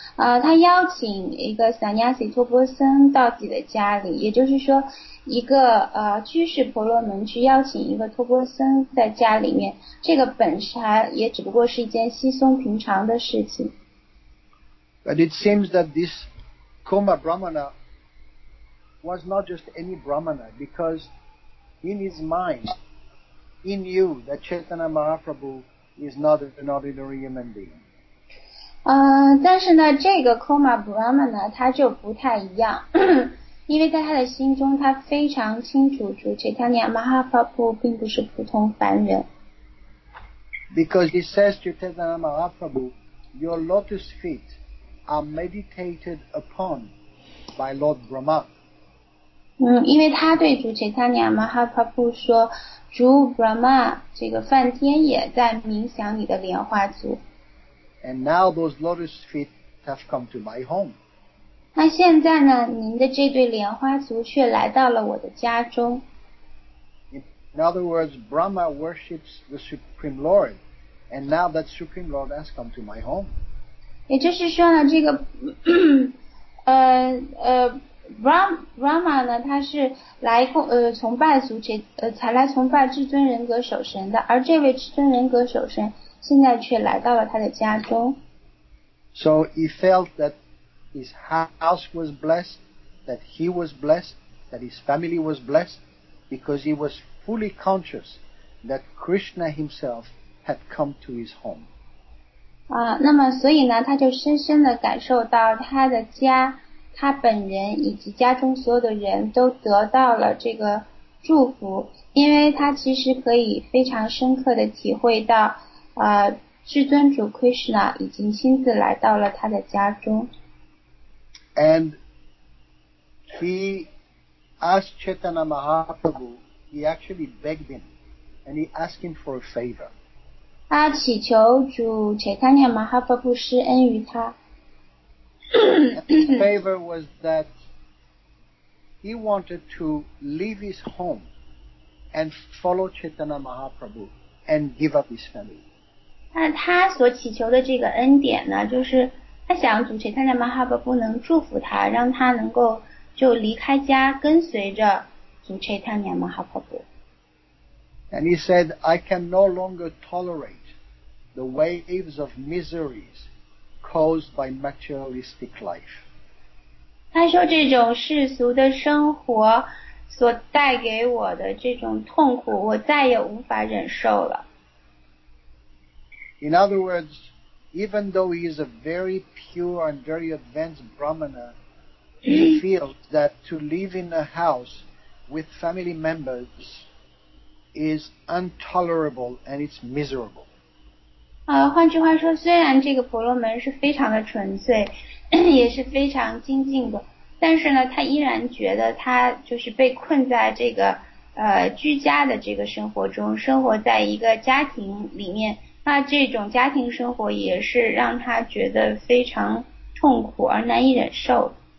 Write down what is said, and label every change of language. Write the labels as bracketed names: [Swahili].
[Chinese] 它邀请一个 sannyasi 托钵僧到自己的家里，也就是说一个居士婆罗门去邀请一个托钵僧在家里面，这个本身也只不过是一件稀松平常的事情。 [English] But it seems that this Koma Brahmana was not just any Brahmana, because in his mind, he knew that Chaitanya Mahaprabhu is not an ordinary human being. [Chinese] 但是呢，这个 Koma Brahmana 他就不太一样。因为在他的心中，他非常清楚，主 Chaitanya Mahaprabhu 并不是普通凡人。 [English] Because he says to Chaitanya Mahaprabhu, your lotus feet are meditated upon by Lord Brahma. [Chinese] 因为他对主 Chaitanya Mahaprabhu 说，主 Brahma 这个梵天也在冥想你的莲花足。 [English] And now those lotus feet have come to my home. [Chinese] 那现在呢，您的这对莲花足却来到了我的家中。 [English] In other words, Brahma worships the Supreme Lord, and now that Supreme Lord has come to my home. [Chinese] 也就是说呢，这个Brahma 呢，他是来崇拜俗者，才来崇拜至尊人格守神的，而这位至尊人格守神现在却来到了他的家中。 [English] So he felt that. His house was blessed, that he was blessed, that his family was blessed, because he was fully conscious that Krishna himself had come to his home. [Chinese] 那么所以呢，他就深深地感受到他的家，他本人以及家中所有的人都得到了这个祝福，因为他其实可以非常深刻地体会到，至尊主 Krishna 已经亲自来到了他的家中。 [English] And he asked Chaitanya Mahaprabhu, he actually begged him, and he asked him for a favor. [Chinese] 他祈求主 Chaitanya Mahaprabhu 施恩于他。 [English] His favor was that he wanted to leave his home and follow Chaitanya Mahaprabhu and give up his family. [Chinese] 那他所祈求的这个恩典呢，就是他想主 Chaitanya Mahaprabhu 能祝福他，让他能够就离开家，跟随着主 Chaitanya Mahaprabhu。 [English] And he said, I can no longer tolerate the waves of miseries caused by materialistic life. [Chinese] 他说这种世俗的生活所带给我的这种痛苦，我再也无法忍受了。 [English] In other words,Even though he is a very pure and very advanced Brahmana, he feels that to live in a house with family members is intolerable and it's miserable. [Chinese] 换句话说，虽然这个婆罗门是非常的纯粹，也是非常精进的，但是呢，他依然觉得他就是被困在这个居家的这个生活中，生活在一个家庭里面。那这种家庭生活也是让他觉得非常痛苦而难以忍受。